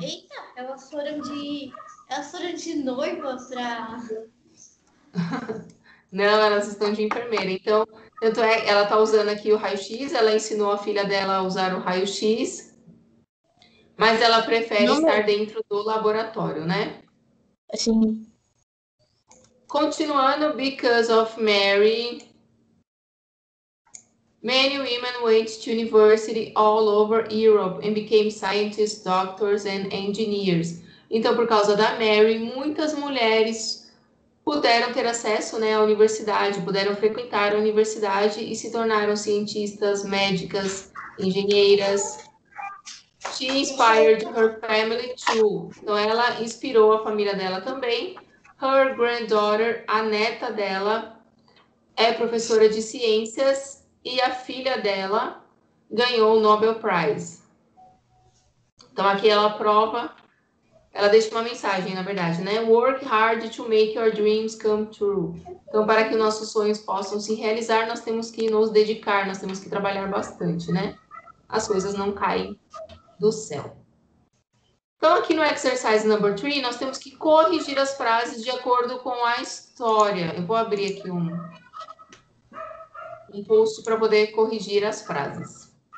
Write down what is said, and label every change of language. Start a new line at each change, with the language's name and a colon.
Portuguese: Eita, elas foram de noiva pra... Não, elas estão de enfermeira. Então, tanto é, ela tá usando aqui o raio-x, ela ensinou a filha dela a usar o raio-x. Mas ela prefere estar dentro do laboratório, né? Sim.
English: Continuando, because of Mary, many women went to university all over Europe and became scientists, doctors and engineers.
Portuguese: Então, por causa da Mary, muitas mulheres puderam ter acesso, né, à universidade, puderam frequentar a universidade e se tornaram cientistas, médicas, engenheiras...
English: She inspired her family too.
Portuguese: Então, ela inspirou a família dela também.
English: Her granddaughter,
Portuguese: a neta dela, é professora de ciências e a filha dela ganhou o Nobel Prize. Então, aqui ela prova, ela deixa uma mensagem, na verdade, né?
English: Work hard to make your dreams come true.
Portuguese: Então, para que nossos sonhos possam se realizar, nós temos que nos dedicar, nós temos que trabalhar bastante, né? As coisas não caem do céu. Então, aqui no
English: exercise number 3,
Portuguese: nós temos que corrigir as frases de acordo com a história. Eu vou abrir aqui um post para poder corrigir as frases.